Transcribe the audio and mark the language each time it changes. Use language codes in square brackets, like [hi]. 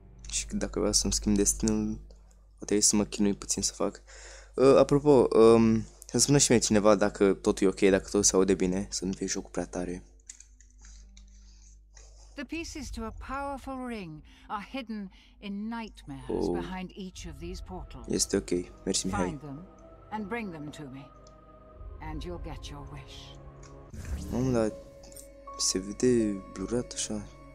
[ro] Și dacă vreau să-mi schimb destinul, trebuie să mă chinui puțin să fac. Apropo, îmi spune și mie cineva dacă totul e ok, dacă totul se aude bine, să nu fie jocul prea tare. [en] The pieces to a powerful ring are hidden in nightmares behind each of these portals. [ro] Este ok. Mersi, Mihai. [en] Find them and bring them to me. And you'll get your wish. [ro] Mamă, dar se vede blurat așa.